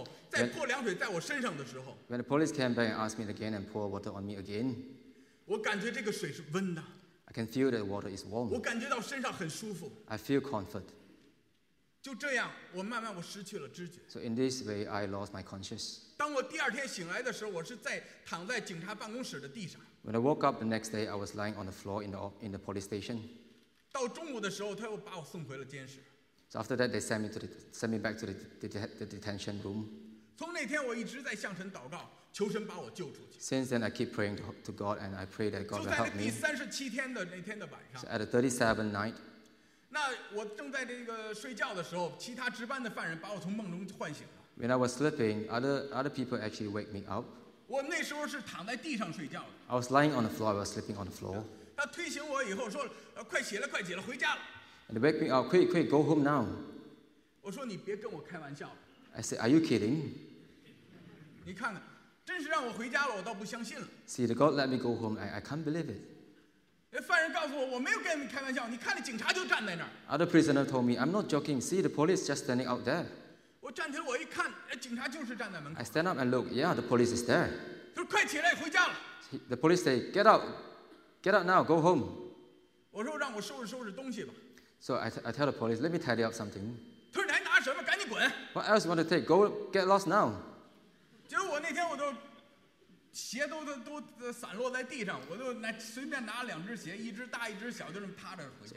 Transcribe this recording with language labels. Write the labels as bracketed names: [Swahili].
[English] When the police came back and asked me again and poured water on me again, I can feel that water is warm. I feel comfort. [Chinese] 就这样, 我失去了知觉。 [English] So in this way, I lost my conscience. [Chinese] 当我第二天醒来的时候, 我是躺在警察办公室的地上。 [English] When I woke up the next day, I was lying on the floor in the police station. [Chinese] 到中午的时候, 他又把我送回了监室。 [English] So after that, they sent me back to the detention room. [Chinese] 从那天我一直在向神祷告, 求神把我救出去。 [English] Since then, I keep praying to God, and I pray that God will help me. [Chinese] 就在那第37天的那天的晚上。 [English] So at the 37th night, [Chinese] 那我正在这个睡觉的时候, 其他值班的犯人把我从梦中唤醒了。 [English] When I was sleeping, other people actually wake me up. [Chinese] 我那时候是躺在地上睡觉的。 [English] I was lying on the floor, I was sleeping on the floor. [Chinese] 他推醒我以后说, 快起来, 回家了。 [English] And they wake me up, quick, go home now. [Chinese] 我说你别跟我开玩笑。 [English] I said, are you kidding? [Chinese] 你看看, 真是让我回家了, 我倒不相信了。 [English] See, the God let me go home, I can't believe it. [Chinese] 犯人告诉我, 我没有跟你开玩笑, 你看了警察就站在那儿。 [English] Other prisoner told me, I'm not joking, see, the police just standing out there. [Chinese] 我站起来, 我一看, 警察就是站在门口。 [English] I stand up and look, yeah, the police is there. [Chinese] 他说快起来, 回家了。 [English] The police say, get out now, go home. [Chinese] 我说让我收拾收拾东西吧。 [English] So I tell the police, let me tidy up something. [Chinese] 他说你还拿什么, 赶紧滚。 [English] What else you want to take? Go get lost now. [Chinese] 结果我那天我都 鞋都散落在地上, 我就随便拿两只鞋, 一只大一只小, 就这么趴着回家。